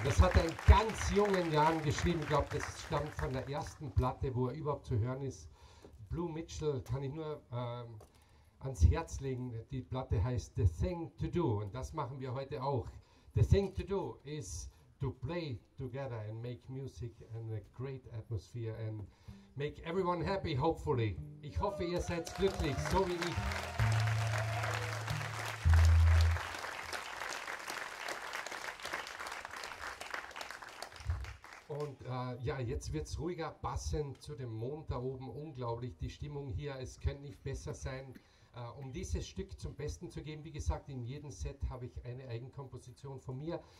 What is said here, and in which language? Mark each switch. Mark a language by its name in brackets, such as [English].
[German] Das hat er in ganz jungen Jahren geschrieben. Ich glaube, das stammt von der ersten Platte, wo er überhaupt zu hören ist. Blue Mitchell kann ich nur ans Herz legen. Die Platte heißt The Thing to Do. Und das machen wir heute auch. [English] The Thing to Do is to play together and make music and a great atmosphere and make everyone happy, hopefully. [German] Ich hoffe, ihr seid glücklich, so wie ich. Und ja, jetzt wird es ruhiger, passend zu dem Mond da oben. Unglaublich, die Stimmung hier, es könnte nicht besser sein. Um dieses Stück zum Besten zu geben, wie gesagt, in jedem Set habe ich eine Eigenkomposition von mir.